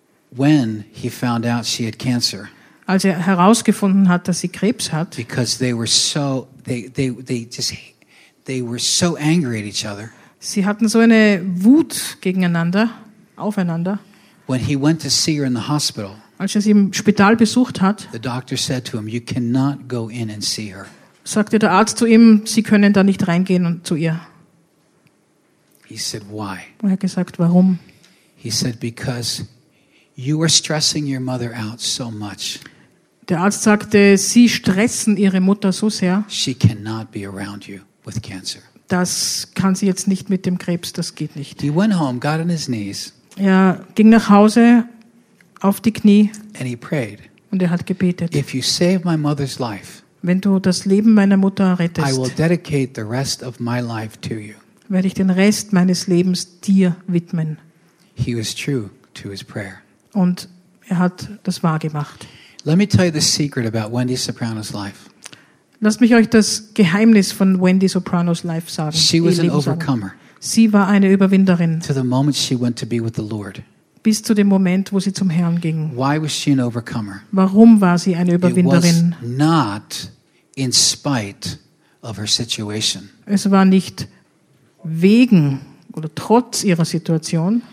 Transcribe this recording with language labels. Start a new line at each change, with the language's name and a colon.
English: when he found out she had cancer,
German: als er herausgefunden hat, dass sie Krebs hat,
English: because they were so angry at each other,
German: sie hatten so eine Wut gegeneinander, aufeinander.
English: When he went to see her in the hospital,
German: als er sie im Spital besucht hat,
English: the doctor said to him, "You cannot go in and see her."
German: Sagte der Arzt zu ihm, Sie können da nicht reingehen und zu ihr.
English: He said, "Why?"
German: Und er hat gesagt, warum?
English: He said, "Because you are stressing your mother out so much."
German: Der Arzt sagte, Sie stressen ihre Mutter so sehr.
English: She cannot be around you with cancer.
German: Das kann sie jetzt nicht mit dem Krebs. Das geht nicht.
English: He went home, got on his knees.
German: Er ging nach Hause. Auf die Knie.
English: And he prayed.
German: Und er hat gebetet.
English: If you save my mother's life,
German: wenn du das Leben meiner Mutter rettest,
English: I will dedicate the rest of my life to you.
German: Werde ich den Rest meines Lebens dir widmen.
English: He was true to his prayer.
German: Und er hat das wahr gemacht.
English: Let me tell you the secret about Wendy Soprano's life.
German: Lasst mich euch das Geheimnis von Wendy Sopranos Life sagen.
English: She was an overcomer.
German: Sie war eine Überwinderin.
English: To the moment she went to be with the Lord.
German: Bis zu dem Moment, wo sie zum Herrn ging.
English: Why was she an overcomer?
German: Warum war sie eine Überwinderin?
English: It was not in spite of her situation.
German: Es war nicht wegen oder trotz ihrer Situation.